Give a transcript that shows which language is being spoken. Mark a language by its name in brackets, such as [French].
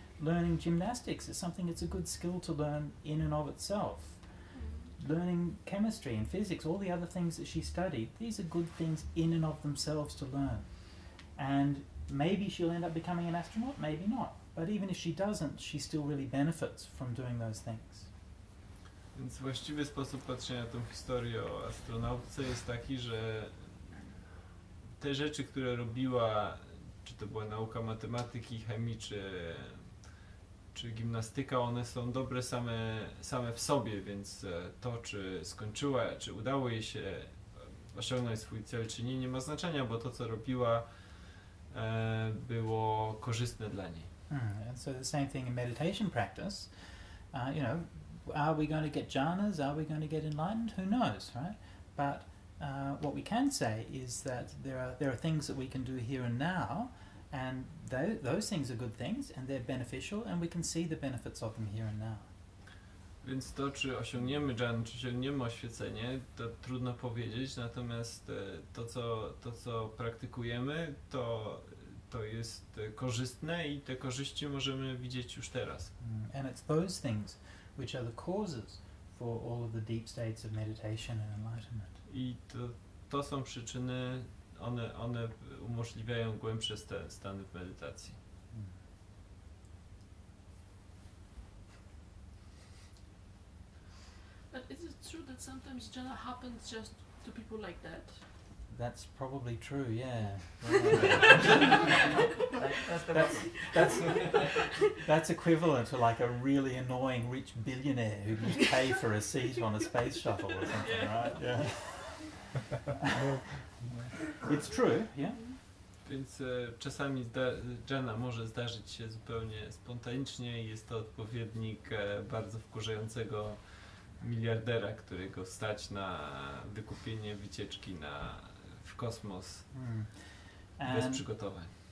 [English] Learning gymnastics is something, it's a good skill to learn in and of itself. Learning chemistry and physics, all the other things that she studied, these are good things in and of themselves to learn. And maybe she'll end up becoming an astronaut, maybe not. But even if she doesn't, she still really benefits from doing those things. [Polish] Więc właściwy sposób patrzenia na tą historię o astronautce jest taki, że te rzeczy, które robiła, czy to była nauka matematyki, chemii, czy gimnastyka, one są dobre same w sobie, więc to, czy skończyła, czy udało jej się osiągnąć swój cel, czy nie ma znaczenia, bo to, co robiła, było korzystne dla niej. [English] And so the same thing in meditation practice, you know, are we going to get jhanas, are we going to get enlightened, who knows, right? But what we can say is that there are things that we can do here and now, and those things are good things, and they're beneficial, and we can see the benefits of them here and now. [Polish] Więc to, czy osiągniemy dżan, czy osiągniemy oświecenie, to trudno powiedzieć, natomiast to co praktykujemy, to jest korzystne i te korzyści możemy widzieć już teraz. [English] And it's those things which are the causes for all of the deep states of meditation and enlightenment. [Polish] I to są przyczyny, one umożliwiają głębsze stany w medytacji. [English] But is it true that sometimes jhana happens just to people like that? That's probably true, yeah. that's equivalent to like a really annoying rich billionaire who can pay for a seat on a space shuttle or something, yeah. Right? Yeah. It's true, yeah. [Polish] Więc czasami Jana może zdarzyć się zupełnie spontanicznie i jest to odpowiednik bardzo wkurzającego miliardera, którego stać na wykupienie wycieczki na kosmos bez przygotowań.